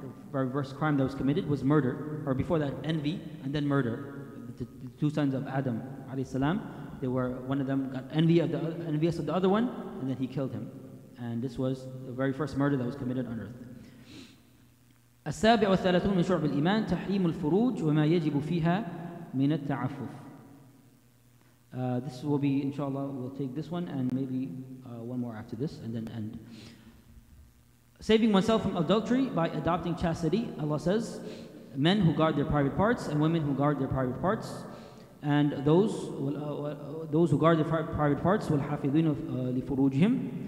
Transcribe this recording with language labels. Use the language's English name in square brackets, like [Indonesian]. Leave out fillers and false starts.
[English] The very first crime that was committed was murder, or before that, envy, and then murder. The two sons of Adam, alayhi salam, they were, one of them got envious of the other one, and then he killed him. And this was the very first murder that was committed on earth. [Arabic] السابع والثلاثون من شعب الإيمان تحريم الفروج وما يجب فيها من التعفف. [English] This will be, inshallah, we'll take this one and maybe one more after this and then end. Saving oneself from adultery by adopting chastity, Allah says, men who guard their private parts and women who guard their private parts, and those who guard their private parts will [Arabic] حافظين لفروجهم.